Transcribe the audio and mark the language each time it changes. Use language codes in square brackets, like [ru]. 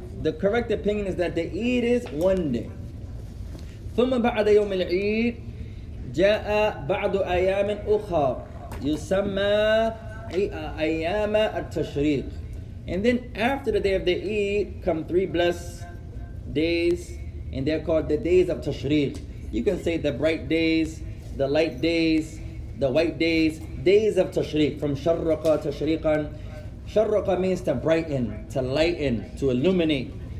[en] The correct opinion is that the Eid is 1 day. [ar] ثم بعد يوم العيد جاء بعض أيام أخرى يسمى أيام التشريق. [en] And then after the day of the Eid come 3 blessed days, and they're called the days of Tashriq. You can say the bright days, the light days, the white days, days of Tashriq, from [ar] شرق تشريقاً. [en] شرق means to brighten, to lighten, to illuminate.